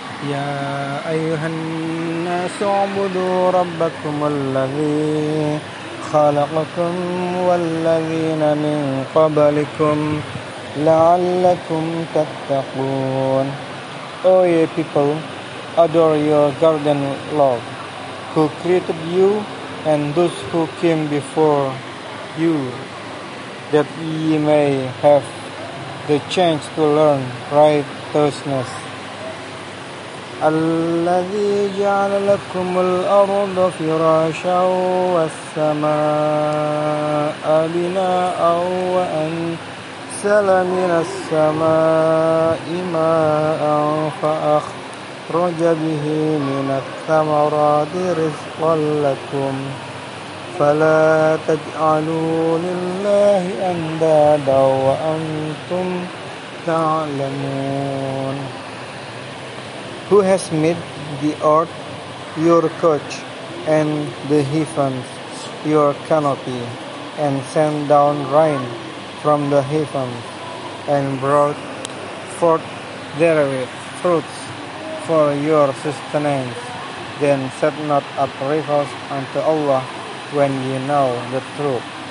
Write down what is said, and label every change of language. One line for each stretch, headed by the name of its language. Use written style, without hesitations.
Arabic: يا أيها الناس اعبدوا ربكم الذي خلقكم والذين من قبلكم لعلكم تتقون.
English: O ye people, adore your guardian Lord, who created you and those who came before you, that ye may have the chance to learn righteousness.
Arabic: الذي جعل لكم الأرض فراشا والسماء بناء وأنزل من السماء ماء فأخرج به من الثمرات رزقا لكم فلا تجعلوا لله أندادا وأنتم تعلمون.
English: Who has made the earth your couch and the heavens your canopy, and sent down rain from the heavens and brought forth therewith fruits for your sustenance, then set not up rivals unto Allah when ye know the truth.